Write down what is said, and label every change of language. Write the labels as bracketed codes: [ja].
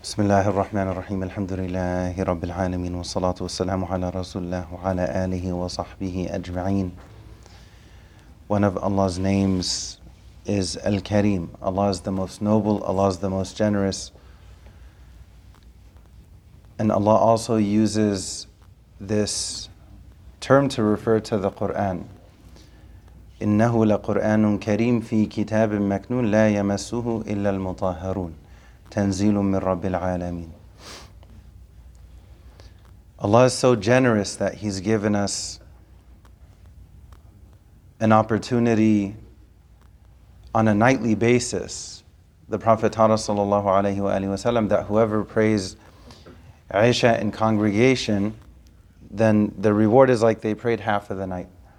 [ar] بسم الله الرحمن الرحيم الحمد لله رب العالمين والصلاة والسلام على رسول الله وعلى آله وصحبه أجمعين. [en] One of Allah's names is Al-Kareem. Allah is the most noble, Allah is the most generous. And Allah also uses this term to refer to the Qur'an. [ar] إنه لقرآن كريم في كتاب مكنون لا يمسه إلا المطهرون تنزيل من رب العالمين. [en] Allah is so generous that He's given us an opportunity on a nightly basis. The Prophet taught sallallahu alayhi wa alayhi wa sallam that whoever prays Aisha in congregation, then the reward is like they prayed half of the night.